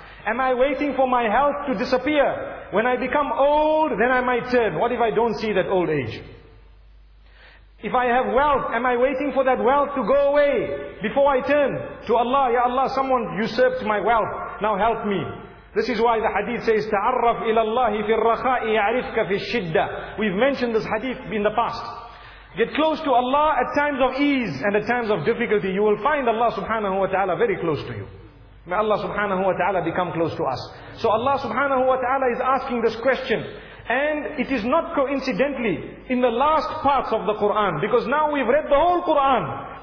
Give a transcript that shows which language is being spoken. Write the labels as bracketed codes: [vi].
[en] Am I waiting for my health to disappear? When I become old, then I might turn. What if I don't see that old age? If I have wealth, am I waiting for that wealth to go away before I turn to Allah? Ya Allah, someone usurped my wealth, now help me. This is why the hadith says, [ar] تَعَرَّفْ إِلَى اللَّهِ فِي الرَّخَاءِ يَعْرِفْكَ فِي الشِّدَّةِ. [en] We've mentioned this hadith in the past. Get close to Allah at times of ease and at times of difficulty. You will find Allah subhanahu wa ta'ala very close to you. May Allah subhanahu wa ta'ala become close to us. So Allah subhanahu wa ta'ala is asking this question. And it is not coincidentally in the last parts of the Quran, because now we've read the whole Quran.